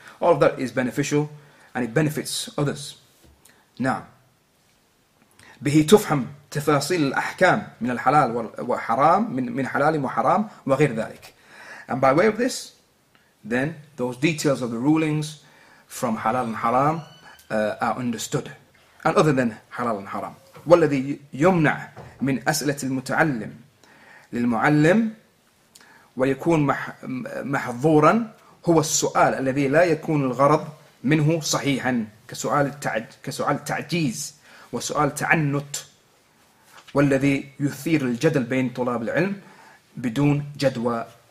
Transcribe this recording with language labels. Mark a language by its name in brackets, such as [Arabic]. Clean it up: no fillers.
[English] All of that is beneficial and it benefits others. [Arabic] نعم به تفهم تفاصيل الأحكام من الحلال وحرام من حلال وحرام وغير ذلك. [English] And by way of this, then those details of the rulings from halal and haram are understood, and other than halal and haram. [Arabic] والذي يمنع من أسئلة المتعلم للمعلم ويكون محظورا هو السؤال الذي لا يكون الغرض منه صحيحا كسؤال تعجيز وسؤال تعنت والذي يثير الجدل بين طلاب العلم بدون جدوى